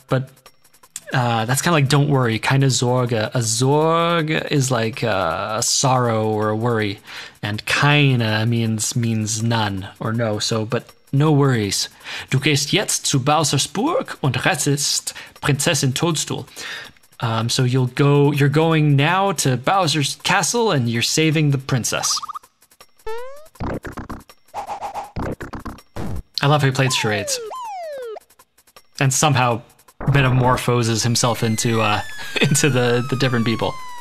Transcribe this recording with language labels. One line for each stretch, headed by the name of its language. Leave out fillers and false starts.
English: that's kind of like don't worry,
German: keine Sorge.
English: A Sorge is like a sorrow or a worry, and keine means none or no. So, but No worries.
German: Du gehst jetzt zu Bowser's Burg und rettest Prinzessin Toadstool.
English: So you're going now to Bowser's castle and you're saving the princess. I love how he played charades. And somehow metamorphoses himself into the different people.